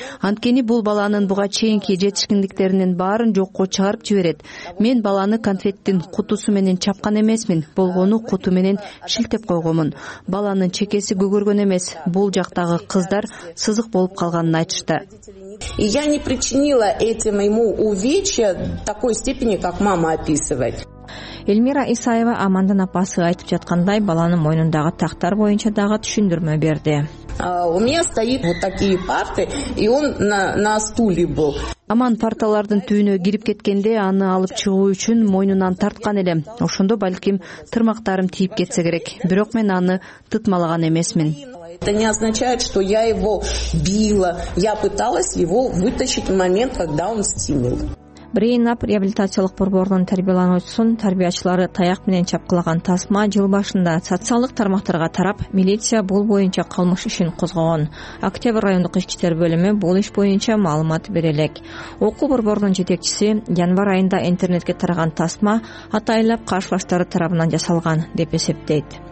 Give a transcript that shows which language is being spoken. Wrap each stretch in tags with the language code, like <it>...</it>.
<ky>Анткени бул баланын буга чейинки жетишкендиктеринин баарын жокко чыгарып жиберет. Мен баланы конфеттин кутусу менен чапкан эмесмин, болгону куту менен шилтеп койгонмун. Баланын чекеси көгөргөн эмес, бул жактагы кыздар сызык болуп калганын айтышты.</ky> <ru>Я не причинила этим ему увечья такой степени, как мама описывает.</ru> <ky>Эльмира Исаева Амандын апасы айтып жаткандай баланын мойнундагы тактар боюнча дагы түшүндүрмө берди.</ky> <ru>У меня стоит вот такие парты, и он на стуле был.</ru> <ky>Аман парталардын түйүнө кирип кеткенде аны алып чыгуу үчүн мойнунан тарткан элем. Ошондо балким тырмактарым тийип кетсе керек, бирок мен аны тытмалаган эмесмин.</ky> <ru>Это не означает, что я его била. Я пыталась его вытащить в момент, когда он стимил.</ru> <ky>Брейнап реабилитациялык борборунун тарбиялануучусун тарбиячылары таяк менен чапкылаган тасма жыл башында социалдык тармактарга тарап, милиция бул боюнча кылмыш ишин козгогон. Октябрь райондук ички иштер бөлүмү бул иш боюнча маалымат бере элек. Окуу борборунун жетекчиси январь айында интернетке тараган тасма атайылып каршылаштары тарабынан жасалган деп эсептейт.</ky>